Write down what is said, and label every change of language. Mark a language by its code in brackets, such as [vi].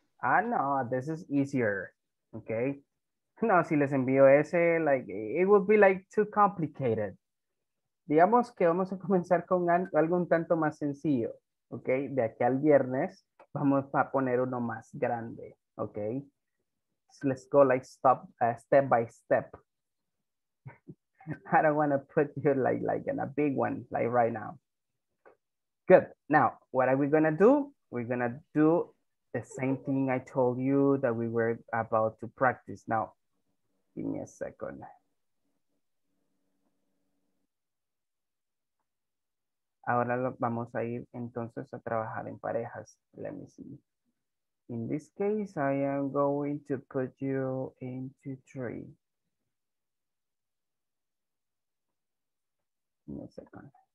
[en] Ah, no, this is easier, okay? No, [es] si les envío ese, [en] like, it would be like too complicated. [es] Digamos que vamos a comenzar con algo un tanto más sencillo, okay? De aquí al viernes, vamos a poner uno más grande, okay? [en] So let's go like step by step. I don't want to put you like in a big one, like right now. Good. Now, what are we going to do? We're going to do the same thing I told you that we were about to practice. Now, give me a second. [es] Ahora vamos a ir entonces a trabajar en parejas. [en] Let me see. In this case, I am going to put you into three. Give me a second.